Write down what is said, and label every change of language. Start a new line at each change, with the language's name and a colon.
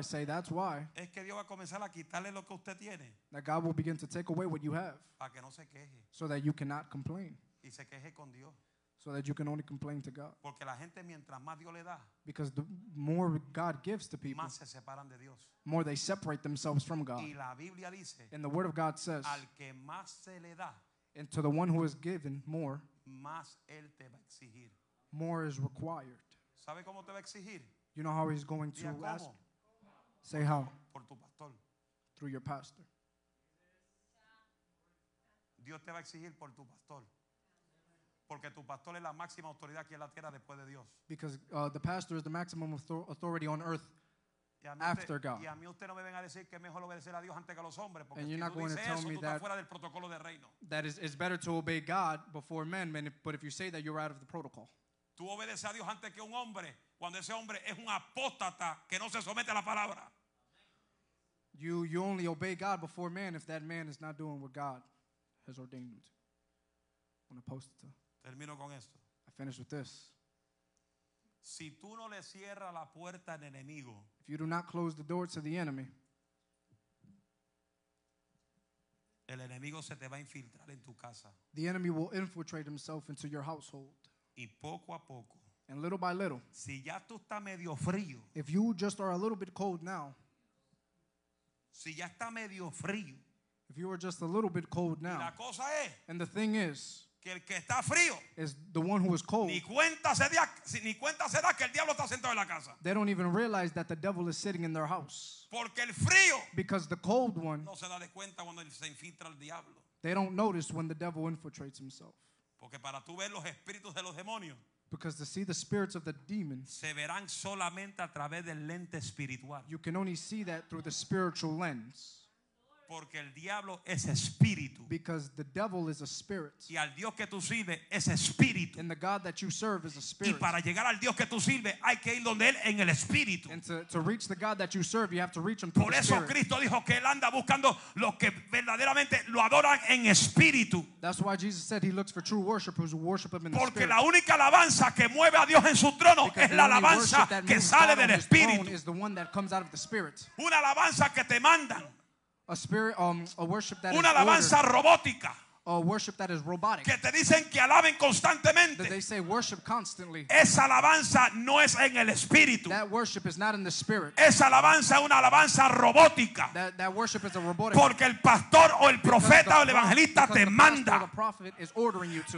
Spanish: Es que Dios va a comenzar a quitarle lo que usted tiene.
English: That God will begin to take away what you have.
Spanish: Para que no se queje.
English: So that you cannot complain.
Spanish: Y se queje con Dios.
English: So that you can only complain to God.
Spanish: Porque la gente, mientras más Dios le da,
English: because the more God gives to people,
Spanish: más se separan de Dios.
English: More they separate themselves from God.
Spanish: Y la Biblia dice,
English: and the word of God says,
Spanish: al que más se le da,
English: and to the one who is given more,
Spanish: más él te va a exigir.
English: More is required.
Spanish: ¿Sabe cómo te va a exigir?
English: You know how he's going to
Spanish: ¿cómo?
English: Ask? Say how?
Spanish: Por tu pastor.
English: Through your pastor.
Spanish: Dios te va a exigir por tu pastor. Porque tu pastor es la máxima autoridad aquí en la tierra después de Dios.
English: Because the pastor is the maximum authority on earth after God.
Spanish: Y a mí usted no me venga a decir que mejor obedecer a Dios antes que a los hombres, porque si tú dices eso, tú estás fuera del protocolo del reino.
English: That is better to obey God before men, but if you say that, you're out of the protocol.
Spanish: Tú obedeces a Dios antes que un hombre, cuando ese hombre es un apóstata que no se somete a la palabra.
English: You only obey God before man if that man is not doing what God has ordained. An apostate.
Spanish: Termino con esto.
English: I finish with this.
Spanish: Si tú no le cierras la puerta al enemigo,
English: if you do not close the door to the enemy,
Spanish: el enemigo se te va a infiltrar en tu casa.
English: The enemy will infiltrate himself into your household.
Spanish: Y poco a poco.
English: And little by little.
Spanish: Si ya tú estás medio frío,
English: if you just are a little bit cold now,
Spanish: si ya está medio frío,
English: if you are just a little bit cold now,
Spanish: y la cosa es,
English: and the thing is,
Spanish: que el que está frío,
English: is the one who is cold.
Spanish: Ni cuenta se da que el diablo está sentado en la casa.
English: They don't even realize that the devil is sitting in their house.
Spanish: Porque el frío,
English: because the cold one,
Spanish: no se da de cuenta cuando se infiltra el diablo.
English: They don't notice when the devil infiltrates himself.
Spanish: Porque para tú ver los espíritus de los demonios,
English: because to see the spirits of the demons,
Spanish: se verán solamente a través del lente espiritual.
English: You can only see that through the spiritual lens.
Spanish: Porque el diablo es espíritu.
English: Because the devil is a spirit.
Spanish: Y al Dios que tú sirves es espíritu.
English: And the God that you serve is a spirit.
Spanish: Y para llegar al Dios que tú sirves hay que ir donde él en el espíritu.
English: And to reach the God that you serve, you have to reach him through the spirit.
Spanish: Por eso Cristo dijo que él anda buscando los que verdaderamente lo adoran en espíritu.
English: That's why Jesus said he looks for true worshipers who worship him in the spirit.
Spanish: Porque la única alabanza que mueve a Dios en su trono es la alabanza que sale del espíritu.
English: Is the one that comes out of the spirit.
Spanish: Una alabanza que te mandan.
English: A spirit, a worship that
Spanish: una alabanza robótica.
English: A worship that is robotic.
Spanish: Que te dicen que alaben constantemente.
English: That they say worship constantly.
Spanish: Esa alabanza no es en el espíritu.
English: That worship is not in the spirit.
Spanish: Esa alabanza es una alabanza robótica.
English: That worship is a robotic.
Spanish: Porque el pastor o el profeta o el evangelista te manda.
English: The prophet is ordering you to.